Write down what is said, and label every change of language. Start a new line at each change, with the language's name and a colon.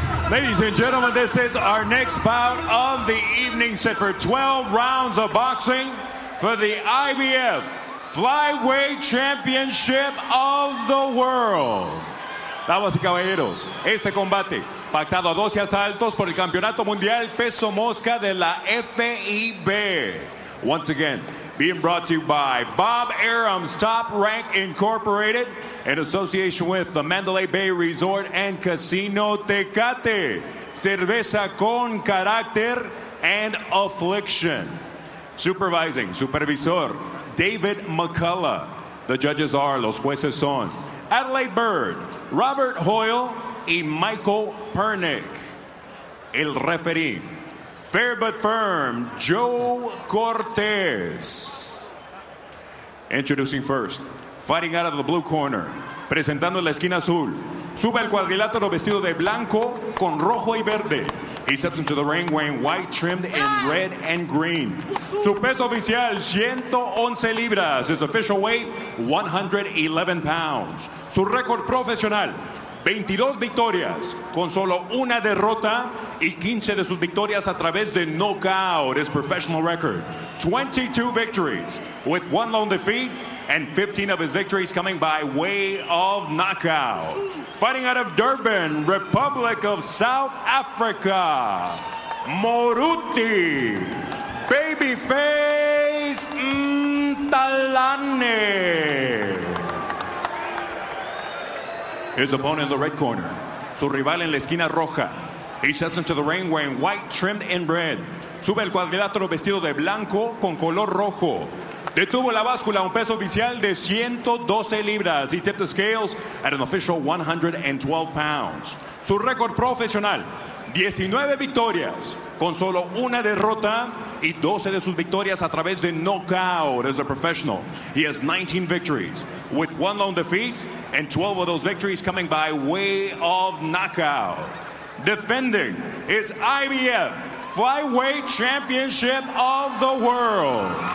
English: Ladies and gentlemen, this is our next bout of the evening, set for 12 rounds of boxing for the IBF Flyweight Championship of the World.
Spanish: Damas y caballeros, este combate pactado a 12 asaltos por el Campeonato Mundial Peso Mosca de la FIB.
English: Once again, being brought to you by Bob Arum's Top Rank Incorporated in association with the Mandalay Bay Resort and Casino Tecate.
Spanish: Cerveza con carácter and affliction.
English: Supervising, supervisor, David McCullough. The judges are,
Spanish: los jueces son,
English: Adelaide Bird, Robert Hoyle, y Michael Pernick. El referee, fair but firm, Joe Cortez. Introducing first, fighting out of the blue corner,
Spanish: presentando la esquina azul. Sube al cuadrilátero vestido de blanco con rojo y verde.
English: He steps into the ring wearing white trimmed in red and green.
Spanish: Su peso oficial, 111 libras.
English: His official weight, 111 pounds.
Spanish: Su récord profesional, 22 victorias con solo una derrota y 15 de sus victorias a través de knockout.
English: His professional record, 22 victories with one lone defeat and 15 of his victories coming by way of knockout. Fighting out of Durban, Republic of South Africa, Moruti Babyface Mthalane. His opponent in the red corner,
Spanish: su rival en la esquina roja.
English: He steps into the ring wearing white trimmed in red.
Spanish: Sube al cuadrilátero vestido de blanco con color rojo. Detuvo la báscula a un peso oficial de 112 libras.
English: He tipped the scales at an official 112 pounds.
Spanish: Su récord profesional, 19 victorias con solo una derrota y 12 de sus victorias a través de knockout.
English: As a professional, he has 19 victories with one lone defeat and 12 of those victories coming by way of knockout. Defending his IBF Flyweight Championship of the World.